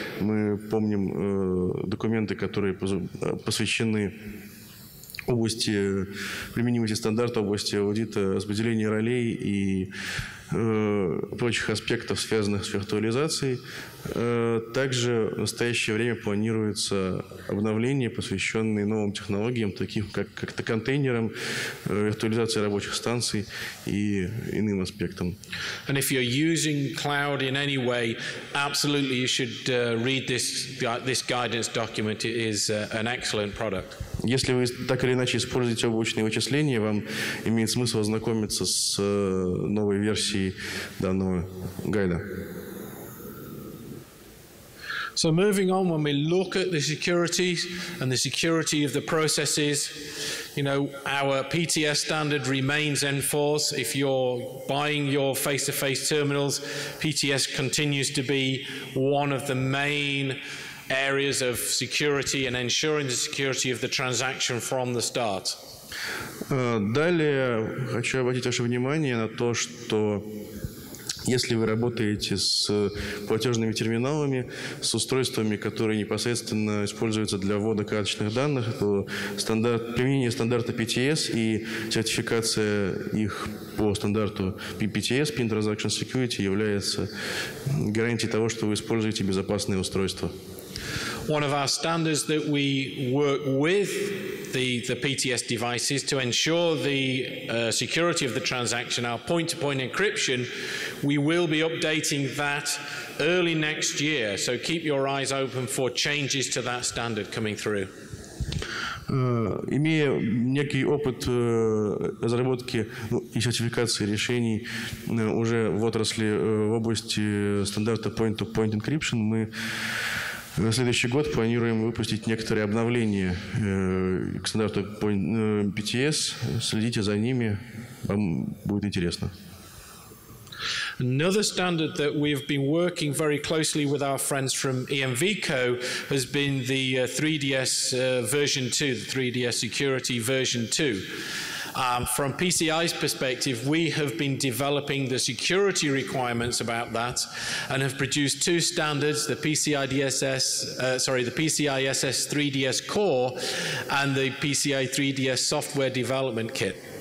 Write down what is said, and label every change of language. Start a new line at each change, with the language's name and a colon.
Russian: Мы помним документы, которые посвящены области применимости стандарта, области аудита, распределения ролей и прочих аспектов, связанных с виртуализацией. Также в настоящее время планируется обновление, посвященное новым технологиям, таким как контейнерам, виртуализации рабочих станций и иным аспектам.
English: And if you're using cloud in any way, absolutely you should read this guidance document. It is an excellent product.
Russian: Если вы так или иначе используете облачные вычисления, вам имеет смысл ознакомиться с новой версией данного гайда.
English: So moving on, when we look at the security and the security of the processes, you know, our PTS standard remains in force. If you're buying your face-to-face terminals, PTS continues to be one of the main areas of security and ensuring the security of the transaction from the start.
Russian: Далее хочу обратить ваше внимание на то, что если вы работаете с платежными терминалами, с устройствами, которые непосредственно используются для ввода карточных данных, то стандарт, применение стандарта PTS и сертификация их по стандарту PTS, PIN Transaction Security, является гарантией того, что вы используете безопасные устройства.
English: one of our standards that we work with the PTS devices to ensure the security of the transaction, our point-to-point encryption. We will be updating that early next year, so keep your eyes open for changes to that standard coming through.
Russian: Имея некий опыт разработки и сертификации решений уже в отрасли, в области стандарта point-to-point encryption, мы на следующий год планируем выпустить некоторые обновления к стандарту PTS. Следите за ними, вам будет интересно.
English: Another standard that we've been working very closely with our friends from EMVCO has been the 3DS version 2, the 3DS security version 2. From PCI's perspective, we have been developing the security requirements about that and have produced two standards, the PCI SS 3DS core and the PCI 3DS software development kit.